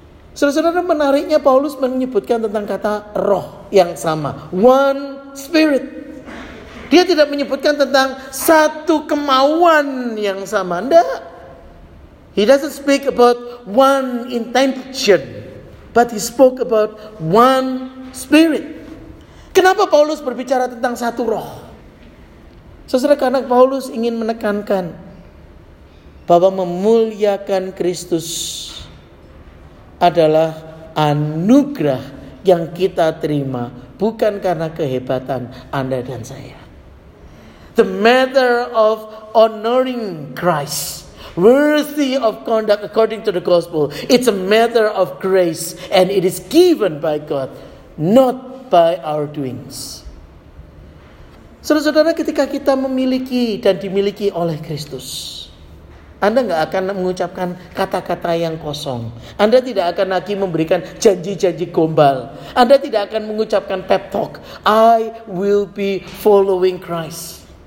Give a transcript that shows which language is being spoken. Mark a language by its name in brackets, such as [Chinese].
[Indonesian] Saudara-saudara, menariknya Paulus menyebutkan tentang kata roh yang sama, [English] one spirit. [Indonesian] Dia tidak menyebutkan tentang satu kemauan yang sama. Tidak. [English] He doesn't speak about one intention, but he spoke about one spirit. [Indonesian] Kenapa Paulus berbicara tentang satu roh? Saudara, karena Paulus ingin menekankan bahwa memuliakan Kristus adalah anugerah yang kita terima, bukan karena kehebatan Anda dan saya. [English] The matter of honoring Christ, worthy of conduct according to the gospel, it's a matter of grace, and it is given by God, not by our doings. [Indonesian] Saudara-saudara, ketika kita memiliki dan dimiliki oleh Kristus, Anda gak akan mengucapkan kata-kata yang kosong. Anda tidak akan lagi memberikan janji-janji gombal. Anda tidak akan mengucapkan pep talk, [English] I will be following Christ.